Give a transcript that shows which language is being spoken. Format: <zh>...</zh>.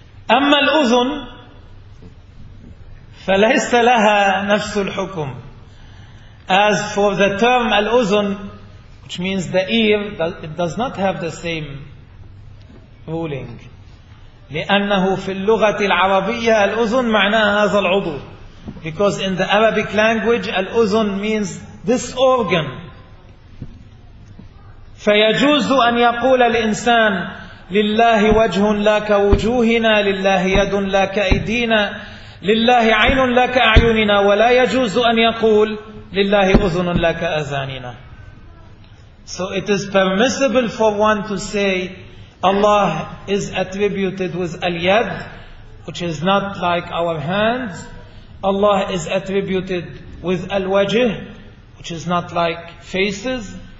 <ar>أما الأذن فليس لها نفس الحكم.</ar> <en>As for the term الأذن, which means the ear, it does not have the same ruling.</en> <ar>لأنه في اللغة العربية الأذن معناها هذا العضو.</ar> <en>Because in the Arabic language, الأذن means this organ.</en> <ar>فيجوز أن يقول الإنسان لله وجه لا كوجوهنا, لله يد لا كأيدينا, لله عين لا كأعيننا, ولا يجوز أن يقول لله أذن لا كأذاننا.</ar> <en>So it is permissible for one to say Allah is attributed with al-yad, which is not like our hands. Allah is attributed with al-wajh, which is not like faces.</en>